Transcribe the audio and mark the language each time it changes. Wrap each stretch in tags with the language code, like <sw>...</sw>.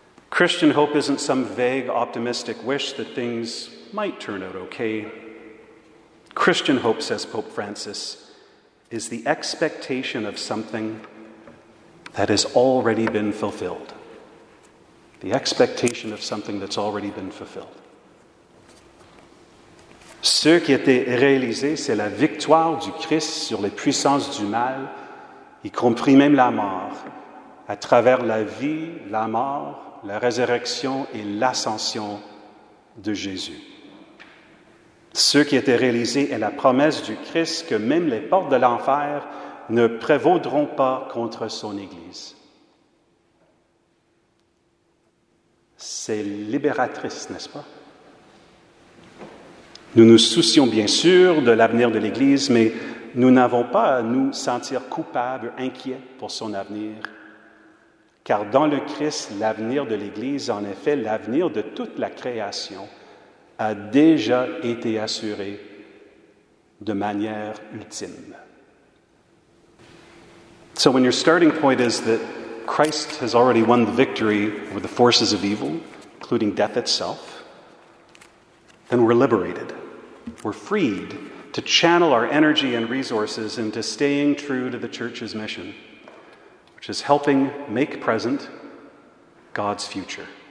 <en>Christian hope isn't some vague, optimistic wish that things might turn out okay. Christian hope, says Pope Francis, is the expectation of something that has already been fulfilled. The expectation of something that's already been fulfilled.</en> <fr>Ce qui était réalisé, c'est la victoire du Christ sur les puissances du mal y compris même la mort, à travers la vie, la mort, la résurrection et l'ascension de Jésus. Ce qui était réalisé est la promesse du Christ que même les portes de l'enfer ne prévaudront pas contre son Église. C'est libératrice, n'est-ce pas? Nous nous soucions bien sûr de l'avenir de l'Église, mais nous n'avons pas à nous sentir coupables, inquiets pour son avenir. Car dans le Christ, l'avenir de l'Église, en effet, l'avenir de toute la création, a déjà été assuré de manière ultime.</fr> <en>So when your starting point is that Christ has already won the victory over the forces of evil, including death itself, then we're liberated. We're freed to channel our energy and resources into staying true to the church's mission, which is helping make present God's future.</en>